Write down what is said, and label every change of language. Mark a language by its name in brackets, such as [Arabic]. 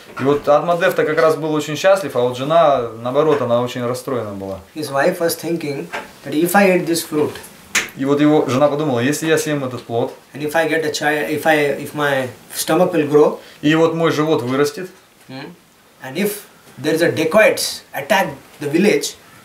[Russian] И вот Атмадев-то как раз был очень счастлив, а вот жена, наоборот, она очень расстроена была. [English] His wife was thinking that if I eat this fruit. [Russian] И вот его жена подумала, если я съем этот плод. [English] And if I get a child, if my stomach will grow. [Russian] И вот мой живот вырастет. [English] And if there is a dacoits attack the village.